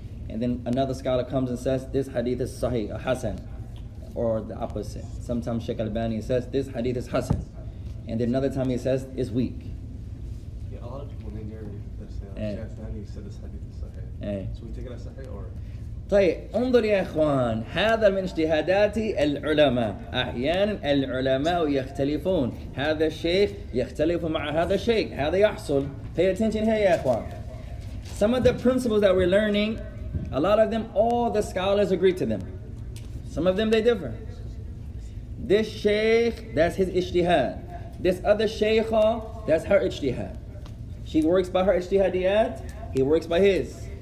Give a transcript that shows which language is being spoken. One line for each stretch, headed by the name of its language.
English: And then another scholar comes and says, this hadith is sahih, or hasan, or the opposite. Sometimes Sheikh Albani says, this hadith is hasan. And then another time he says, it's weak. Yeah, a lot of people, they hear Sheikh Albani said this hadith is sahih. Hey. So we take it as sahih, or?
Arabic: طيب, انظر يا اخوان, هذا من اجتهاداتي العلماء. احيانا العلماء يختلفون. هذا الشيخ يختلف مع هذا الشيخ. هذا يحصل.
English: Pay attention here,
Arabic: يا اخوان.
English: Some of the principles that we're learning, a lot of them, all the scholars agree to them. Some of them, they differ. This sheikh, that's his ijtihad. This other sheikha, that's her ijtihad. She works by her ijtihadiyat, he works by his.